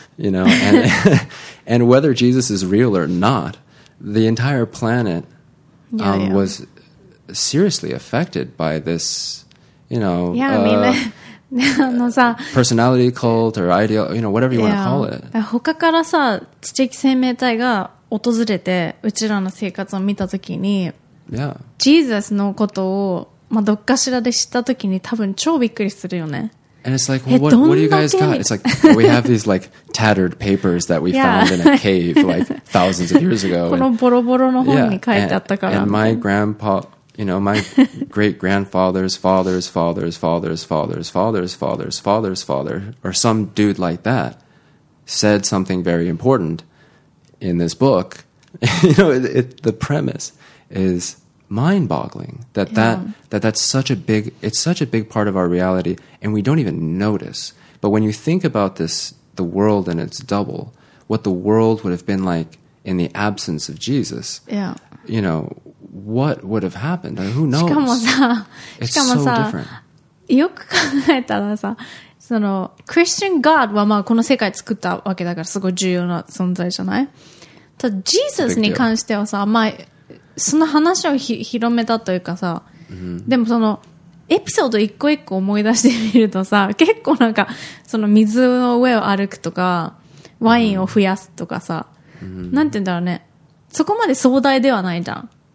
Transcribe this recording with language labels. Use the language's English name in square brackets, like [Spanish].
[English] You know, and and whether Jesus is real or not, the entire planet was seriously affected by this, you know. Yeah, I mean, personality cult or ideal, you know, whatever you want to call it. [Japanese] 他からさ、知的生命体が訪れてうちらの生活を見たときに、ジーザスのことを、まあ、どっかしらで知ったときに多分超びっくりするよね。 [English] And it's like, what, what do you guys got? It's like, we have these like tattered papers that we found in a cave like thousands of years ago. [Japanese] このボロボロの本に書いてあったから。 [English] And my grandpa, you know, my great grandfather's father's father's father's father's father's father's father's father, or some dude like that, said something very important in this book. You know, the premise is mind-boggling that that's such a big, it's such a big part of our reality and we don't even notice. But when you think about this, the world and its double, what the world would have been like in the absence of Jesus, you know, what would have happened? Like, who knows? [Japanese] しかもさ、 [English] it's so different. [Japanese] よく考えたらさ、そのクリスチャンガードはまあこの世界作ったわけだからすごい重要な存在じゃない？ただジーザスに関してはさ、まあその話を広めたというかさ、でもそのエピソード一個一個思い出してみるとさ、結構なんかその水の上を歩くとかワインを増やすとかさ、なんて言うんだろうね、そこまで壮大ではないじゃん。